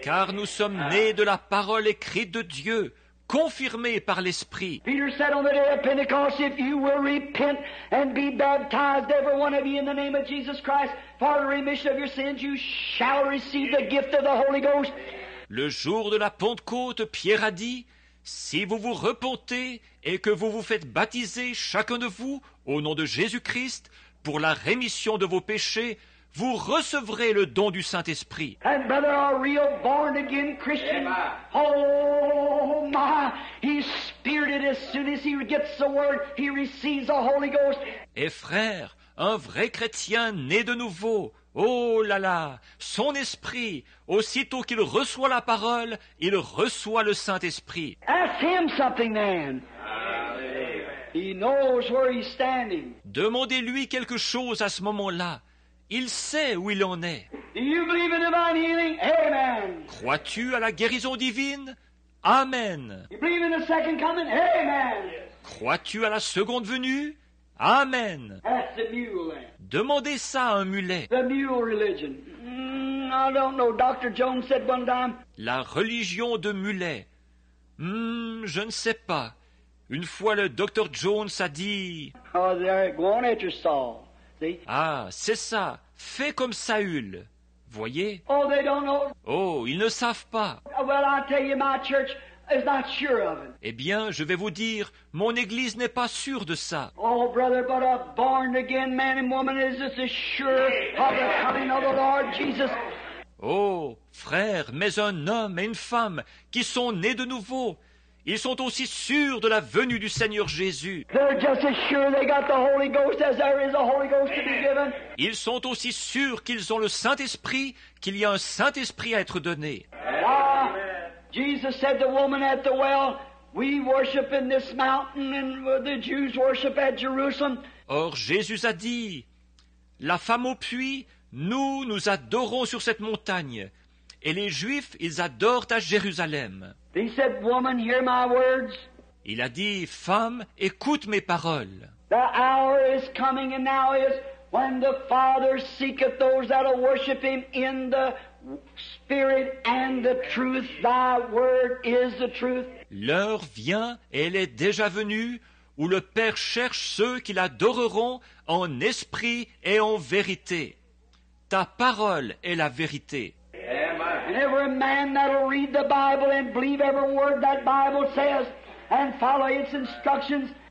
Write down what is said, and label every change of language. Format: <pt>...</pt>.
<fr>Car nous sommes nés de la parole écrite de Dieu, confirmée par l'Esprit.</fr> <en>Peter said on the day of Pentecost, if you will repent and be baptized, every one of you in the name of Jesus Christ, for the remission of your sins, you shall receive the gift of the Holy Ghost.</en> <fr>Le jour de la Pentecôte, Pierre a dit, si vous vous repentez et que vous vous faites baptiser chacun de vous au nom de Jésus-Christ pour la rémission de vos péchés, vous recevrez le don du Saint-Esprit.</fr> <en>And brother, a real born again Christian. Yeah, oh my, he's spirited as soon as he gets the word, he receives the Holy Ghost.</en> <fr>Et frère, un vrai chrétien né de nouveau. Oh là là, son esprit, aussitôt qu'il reçoit la parole, il reçoit le Saint-Esprit.</fr> <en>Ask him something then. He knows where he's standing.</en> <fr>Demandez-lui quelque chose à ce moment-là. Il sait où il en est.</fr> <en>Do you believe in divine healing? Amen.</en> <fr>Crois-tu à la guérison divine? Amen.</fr> <en>You believe in the second coming? Amen.</en> <fr>Crois-tu à la seconde venue? Amen.</fr> <en>Ask the mule.</en> <fr>Demandez ça à un mulet.</fr> <en>The mule religion. I don't know. Dr. Jones said one time.</en> <fr>La religion de mulet. Je ne sais pas. Une fois le Dr. Jones a dit.</fr> <en>Oh, there, go on at your Saul. See?</en> <fr>Ah, c'est ça. Fais comme Saül. Voyez.</fr> <en>Oh, they don't know.</en> <fr>Oh, ils ne savent pas.</fr> <en>Well, I tell you, my church. Is not sure of it.</en> <fr>Eh bien, je vais vous dire, mon église n'est pas sûre de ça.</fr> <en>Oh, brother, but a born again man and woman is as sure of the coming of the Lord Jesus.</en> <fr>Oh, frère, mais un homme et une femme qui sont nés de nouveau, ils sont aussi sûrs de la venue du Seigneur Jésus.</fr> <en>They're just as sure they got the Holy Ghost as there is a Holy Ghost to be given.</en> <fr>Ils sont aussi sûrs qu'ils ont le Saint-Esprit, qu'il y a un Saint-Esprit à être donné.</fr> <en>Jesus said to the woman at the well, we worship in this mountain and the Jews worship at Jerusalem.</en> <fr>Or, Jésus a dit, la femme au puits, nous, nous adorons sur cette montagne. Et les Juifs, ils adorent à Jérusalem.</fr> <en>He said, woman, hear my words.</en> <fr>Il a dit, femme, écoute mes paroles.</fr> <en>The hour is coming and now is when the Father seeketh those that will worship him in the Spirit and the truth, thy word is the truth.</en> <fr>L'heure vient, et elle est déjà venue, où le Père cherche ceux qui l'adoreront en esprit et en vérité. Ta parole est la vérité.</fr> <en>And every man that will read the Bible and believe every word that Bible says and follow its instructions.</en>